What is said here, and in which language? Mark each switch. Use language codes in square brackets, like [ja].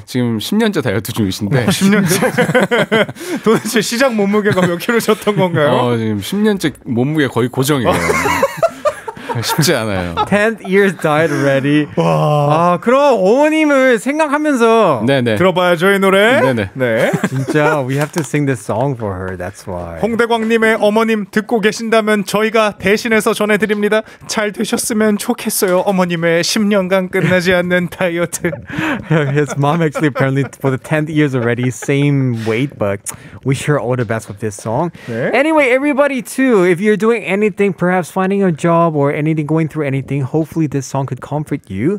[ko] 지금 10년째 다이어트 중이신데. 어, 10년째? 도대체 시작 몸무게가 몇 킬로 쪘던 건가요? 어, 지금 10년째 몸무게 거의 고정이에요. 쉽지 않아요. [en] 10th year diet ready. [ko] 와. 아, 그럼 어머님을 생각하면서 네네. 들어봐야죠, 이 노래. 네네. 네. 진짜, [en] we have to sing this song for her. That's why. [ko] 홍대광님의 어머님 듣고 계신다면 저희가 대신해서 전해드립니다. 잘 되셨으면 좋겠어요. 어머님의 10년간 끝나지 않는 다이어트. [en] His mom actually apparently for the 10th years already, same weight, but wish her all the best with this song. [ko] 네. [en] Anyway, everybody too, if you're doing anything, perhaps finding a job or anything, going through anything, hopefully this song could comfort you.